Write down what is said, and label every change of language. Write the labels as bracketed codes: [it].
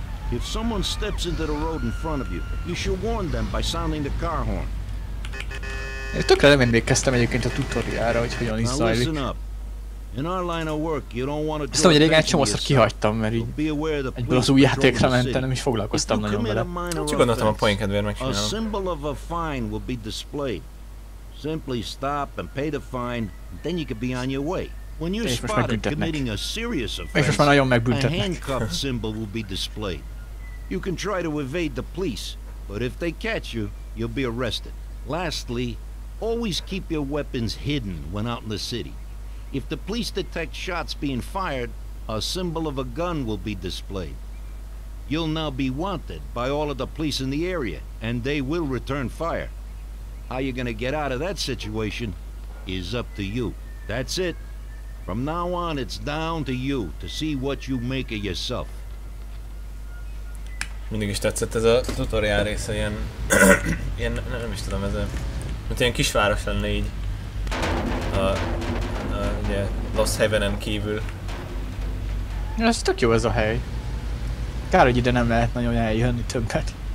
[en] If someone steps into the road in front of you, you should warn them by sounding the car horn. [hu] Én tökre nem emlékeztem egyébként a tutoriára, hogy hogyan is zajlik. [en] In our line of work, you don't want to. [hu] Ezt mondja, régen egy csomószor kihagytam, mert így egyből az új játékra mentem, nem is foglalkoztam nagyon vele. Csak gondoltam, a poén kedvéért megcsinálom. [en] A symbol of a fine will be displayed. Simply stop and pay the fine, then you can be on your way. When you're spotted committing a serious offense, a handcuff symbol will be displayed. You can try to evade the police, but if they catch you, you'll be arrested. Lastly, always keep your weapons hidden when out in the city. If the police detect shots being fired, a symbol of a gun will be displayed. You'll now be wanted by all of the police in the area, and they will return fire. How you're gonna get out of that situation is up to you. That's it. From now on, it's down to you to see what you make of yourself. [hu] Mindig is tetszett ez a tutorial része, ilyen, ilyen, nem is tudom, ez a, mint ilyen kisváros lenne így, ugye, Lost Heaven-en kívül. Ez tök jó ez a hely. Kár, hogy ide nem lehet nagyon eljönni többet.